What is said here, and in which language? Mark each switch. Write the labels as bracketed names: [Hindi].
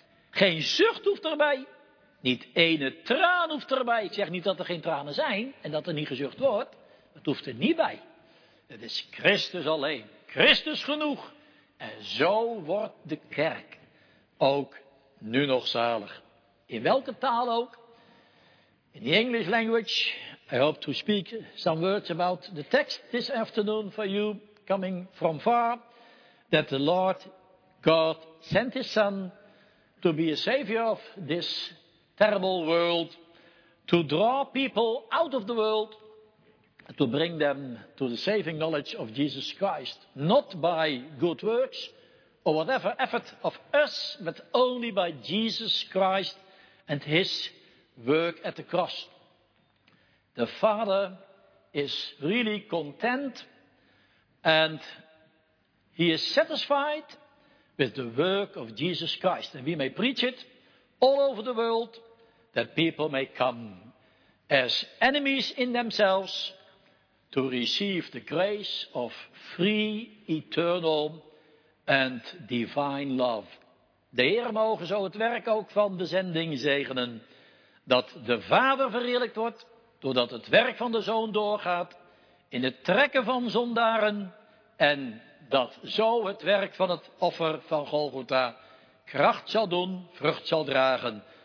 [Dutch] Geen zucht hoeft erbij. Niet ene traan hoeft erbij. Ik zeg niet dat er geen tranen zijn en dat er niet gezucht wordt. Het hoeft er niet bij. Het is Christus alleen. Christus genoeg. En zo wordt de kerk ook nu nog zalig. In welke taal ook. [English] In the English language, I hope to speak some words about the text this afternoon for you, coming from far, that the Lord God sent his Son to be a savior of this terrible world, to draw people out of the world, to bring them to the saving knowledge of Jesus Christ, not by good works or whatever effort of us, but only by Jesus Christ and his work at the cross. The Father is really content and he is satisfied with the work of Jesus Christ. And we may preach it all over the world that people may come as enemies in themselves to receive the grace of free, eternal and divine love. [Dutch] De Heer mogen zo het werk ook van de zending zegenen. Dat de Vader verheerlijkt wordt, doordat het werk van de Zoon doorgaat in het trekken van zondaren. En dat zo het werk van het offer van Golgotha kracht zal doen, vrucht zal dragen.